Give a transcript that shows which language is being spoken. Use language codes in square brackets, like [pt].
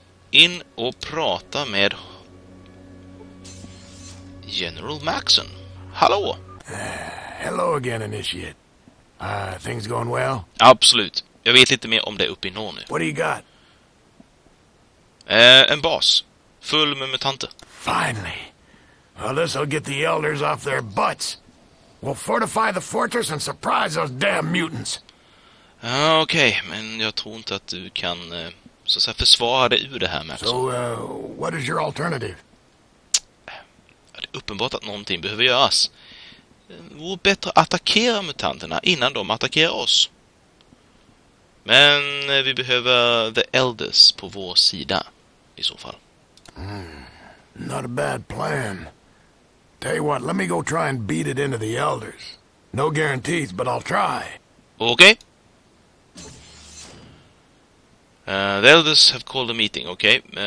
[sv] In och prata med General Maxson. Hallå! [en] Hello again, initiate. Things going well? [sv] Absolut. Jag vet lite mer om det uppe i norr nu. [en] What do you got? [sv] En bas. Full med mutanter. [en] Finally. Well, this'll get the elders off their butts. We'll fortify the fortress and surprise those damn mutants. [sv] Okej, men jag tror inte att du kan så att säga försvara dig ur det här med. [en] So, what is your alternative? [sv] Det är uppenbart att någonting behöver göras. Det vore bättre att attackera mutanterna innan de attackerar oss. Men vi behöver [en] the elders [sv] på vår sida i så fall. [en] Not a bad plan. Tell you what, let me go try and beat it into the elders. No guarantees, but I'll try. Okay. The elders have called a meeting, okay?